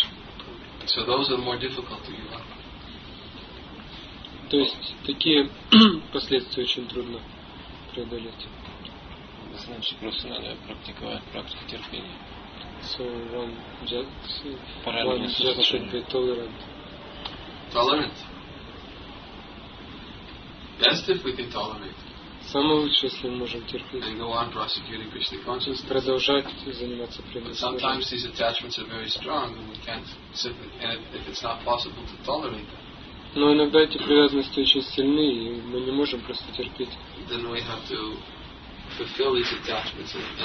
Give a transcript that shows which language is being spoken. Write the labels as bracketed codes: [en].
[en] from the problem. So those are more difficult to give up. [ru] То есть, такие последствия очень трудно преодолеть. Значит, просто надо практиковать практику терпения. [en] So one just should be tolerant. Tolerant. Best if we can tolerate. [ru] Самое лучшее, если мы можем терпеть. [en] And go on prosecuting Krishna consciousness. [ru] Продолжать заниматься преданностью. [en] Sometimes these attachments are very strong, and we can't simply, and if it's not possible to tolerate them. [ru] Но иногда эти привязанности очень сильны, и мы не можем просто терпеть. [en] Then we have to fulfill these attachments in